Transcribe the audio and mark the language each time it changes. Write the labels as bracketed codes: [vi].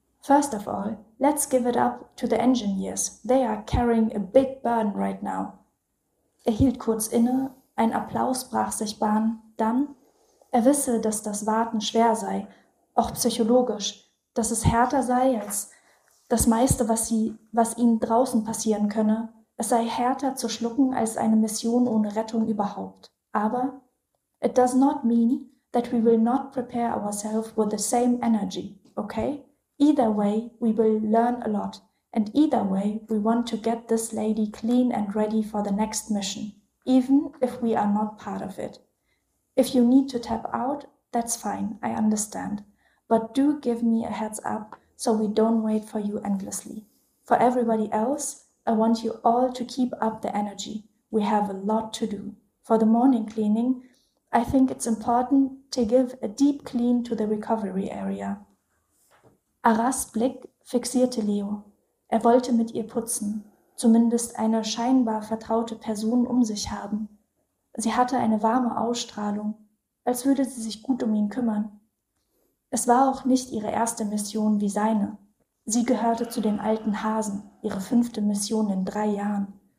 [en] First of all, let's give it up to the engineers. They are carrying a big burden right now. [de] Er hielt kurz inne, ein Applaus brach sich Bahn. Dann, er wisse, dass das Warten schwer sei, auch psychologisch, dass es härter sei als das meiste, was ihnen draußen passieren könne. Es sei härter zu schlucken als eine Mission ohne Rettung überhaupt. Aber [en] it does not mean that we will not prepare ourselves with the same energy, okay? Either way, we will learn a lot. And either way, we want to get this lady clean and ready for the next mission, even if we are not part of it. If you need to tap out, that's fine, I understand. But do give me a heads up, so we don't wait for you endlessly. For everybody else, I want you all to keep up the energy. We have a lot to do. For the morning cleaning, I think it's important to give a deep clean to the recovery area. [de] Aras Blick fixierte Leo. Er wollte mit ihr putzen, zumindest eine scheinbar vertraute Person um sich haben. Sie hatte eine warme Ausstrahlung, als würde sie sich gut um ihn kümmern. Es war auch nicht ihre erste Mission wie seine. Sie gehörte zu den alten Hasen, ihre fünfte Mission in 3 Jahren.